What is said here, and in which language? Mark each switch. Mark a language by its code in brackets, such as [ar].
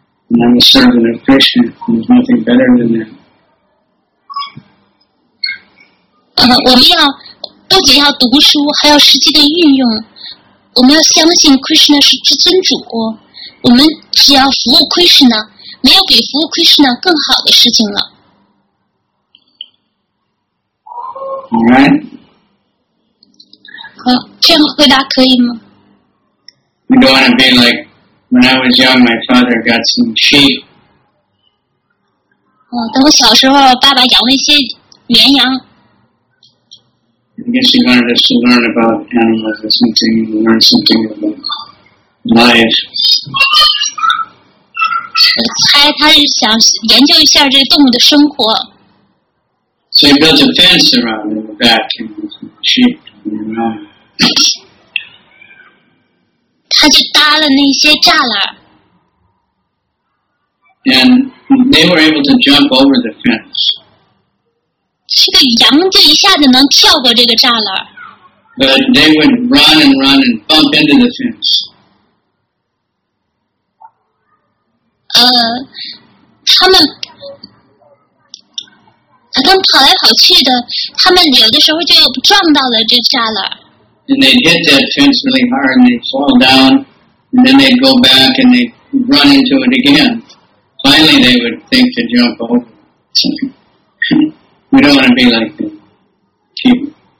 [en] And I'm a servant of Krishna, there's nothing better than that. [zh] 我们要不仅要读书，还要实际的运用。我们要相信 Krishna 是至尊主，我们只要服务 Krishna， 没有比服务 Krishna 更好的事情了。 [en] All right. [zh] 好，这样回答可以吗 [en] ？We don't want to be like when I was young. My father got some sheep. [zh] 当我小时候，爸爸养了一些绵羊。 [en] I guess he wanted us to learn about animals or something, learn something about life. [zh] 我猜他是想研究一下这动物的生活。 [en] So he built a fence around in the back and sheep and all. [zh] 他就搭了那些栅栏。 [en] And they were able to jump over the fence. [zh] 这个羊就一下子能跳过这个栅栏。 [en] But they would run and run and bump into the fence. [zh] 他们他们跑来跑去的，他们有的时候就撞到了这栅栏。 [en] And they hit that fence really hard, and they fall down, and then they go back and they run into it again. Finally, they would think to jump over. We don't want to be like the people.